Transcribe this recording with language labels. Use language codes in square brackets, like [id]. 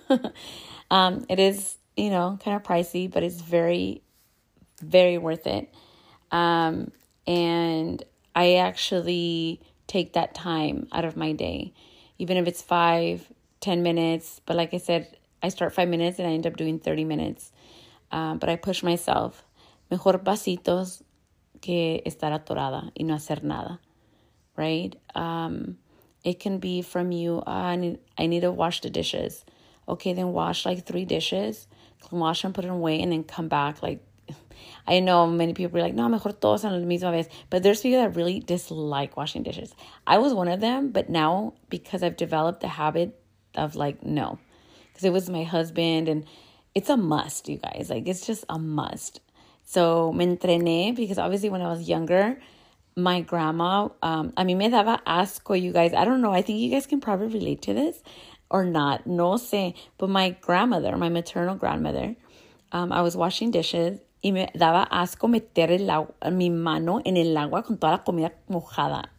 [en] It is, you know, kind of pricey, but it's very, very worth it. And I actually take that time out of my day, even if it's 5, 10 minutes. But like I said, I start 5 minutes and I end up doing 30 minutes. But I push myself. [es] Mejor pasitos que estar atorada y no hacer nada. [en] Right? It can be from you, I need to wash the dishes. Okay, then wash like 3 dishes. Wash them, put them away, and then come back. Like, I know many people are like, no, [es] mejor todos en la misma vez. [en] But there's people that really dislike washing dishes. I was one of them, but now because I've developed the habit of like, no. Because it was my husband, and it's a must, you guys. Like, it's just a must. So, [es] me entrené, [en] because obviously when I was younger, my grandma, [es] a mí me daba asco, [en] you guys. I don't know. I think you guys can probably relate to this or not. [es] No sé. [en] But my grandmother, my maternal grandmother, I was washing dishes. [es] Y me daba asco meter el agua, mi mano en el agua con toda la comida mojada.